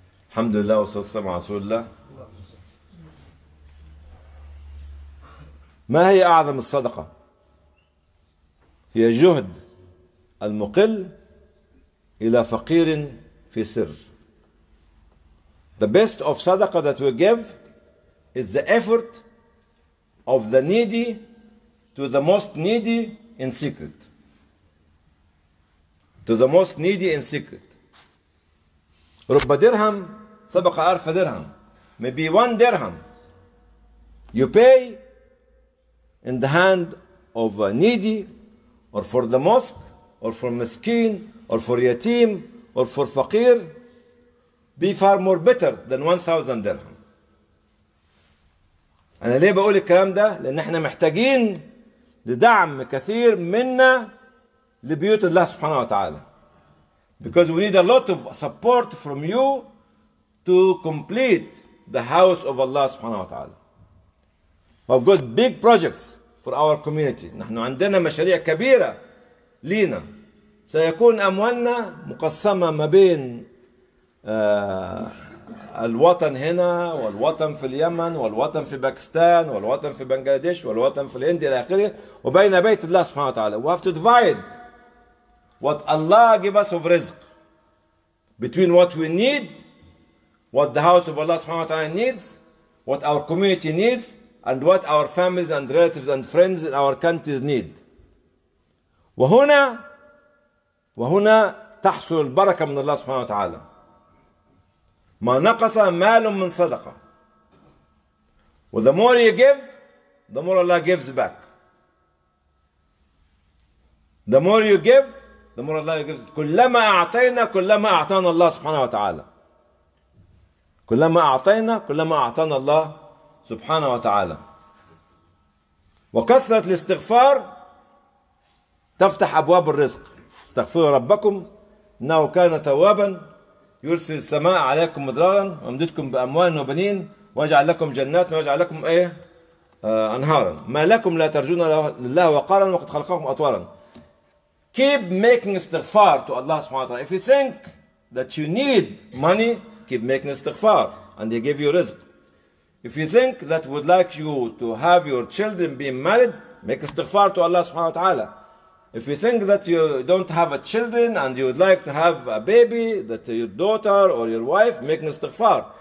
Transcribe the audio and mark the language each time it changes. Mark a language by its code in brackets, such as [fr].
[ar] الحمد لله والصلاة والسلام على رسول الله. ما هي أعظم الصدقة؟ هي جهد المقل إلى فقير في سر. [en] The best of صدقة that we give is the effort of the needy to the most needy in secret. To the most needy in secret. [ar] رب درهم سبق ألف درهم. [en] Maybe one درهم. You pay in the hand of a needy or for the mosque or for miskeen or for yatim or for faqir be far more better than 1,000 درهم. [ar] أنا ليه بقول الكلام ده؟ لأن احنا محتاجين لدعم كثير منا لبيوت الله سبحانه وتعالى. [en] Because we need a lot of support from you to complete the house of Allah subhanahu wa ta'ala. We've got big projects for our community. [ar] نحن عندنا مشاريع كبيرة لينا. سيكون أموالنا مقسمة ما بين الوطن هنا والوطن في اليمن والوطن في باكستان والوطن في بنغلاديش والوطن في الهند إلى آخره وبين بيت الله سبحانه وتعالى. [en] We have to divide what Allah give us of rizq between what we need, what the house of Allah subhanahu wa ta'ala needs, what our community needs, and what our families and relatives and friends in our countries need. [ar] وهنا تحصل البركة من الله سبحانه وتعالى. ما نقص مال من صدقة. [en] The more you give, the more Allah gives back. The more you give, the more Allah gives. [ar] كلما أعطينا كلما أعطانا الله سبحانه وتعالى. كلما أعطينا كلما أعطانا الله سبحانه وتعالى. وكثرة الاستغفار تفتح أبواب الرزق. استغفروا ربكم إنه كان توابا يرسل السماء عليكم مدرارا ويمددكم بأموال وبنين ويجعل لكم جنات ويجعل لكم أنهارا ما لكم لا ترجون لله وقارا وقد خلقكم أطوارا. [en] Keep making استغفار to Allah سبحانه وتعالى. If you think that you need money, keep making istighfar and they give you rizq. If you think that would like you to have your children being married, make istighfar to Allah subhanahu wa ta'ala. If you think that you don't have a children and you would like to have a baby, that your daughter or your wife, make istighfar.